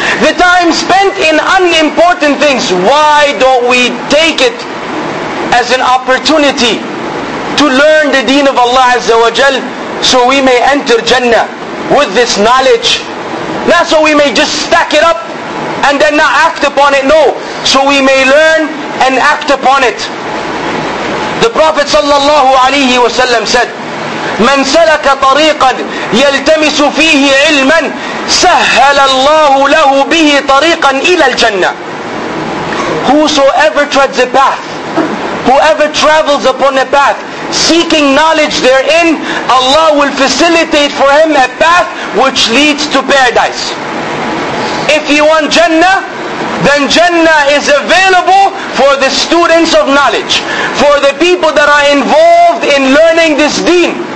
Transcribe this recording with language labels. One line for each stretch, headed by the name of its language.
English: The time spent in unimportant things. Why don't we take it as an opportunity to learn the deen of Allah Azza wa Jal, so we may enter Jannah with this knowledge? Not so we may just stack it up and then not act upon it. No, so we may learn and act upon it. The Prophet sallallahu alaihi wasallam said,
Arabic: "من سلك طريقا يلتمس فيه علما سهل الله له به طريقا إلى الجنة."
English: Whosoever treads a path, whoever travels upon a path seeking knowledge therein, Allah will facilitate for him a path which leads to paradise. If you want Jannah, then Jannah is available for the students of knowledge, for the people that are involved in learning this deen.